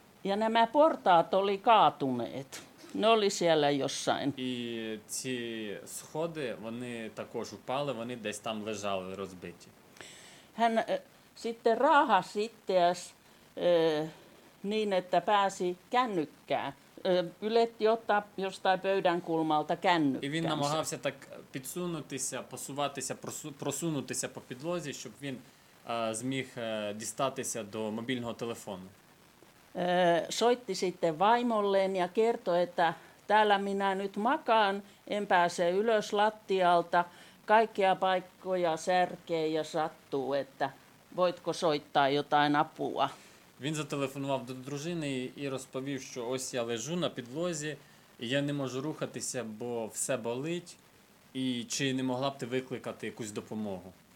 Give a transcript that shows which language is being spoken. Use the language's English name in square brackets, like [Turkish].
[Finnish] Ja nämä portaat oli kaatuneet. Ne oli siellä jossain. [Ukrainian] І ці сходи, вони також упали, вони десь там лежали розбиті. [Finnish] Hän sitten raahas itseäs niin, että pääsi kännykkää. Yletti ottaa jostain pöydän kulmalta kännykkää. [Ukrainian] І він намагався так підсунутися, посуватися, просунутися по підлозі, щоб він зміг дістатися до мобільного телефону. [Finnish] Soitti sitten vaimolleen ja kertoi, että täällä minä nyt makaan, en pääse ylös lattialta, kaikkia paikkoja särkee ja sattuu, että voitko soittaa jotain apua. [Ukrainian] Він зателефонував до дружини і розповів, що ось я лежу на підлозі, і я не можу рухатися, бо все болить, і чи не могла б ти викликати якусь допомогу.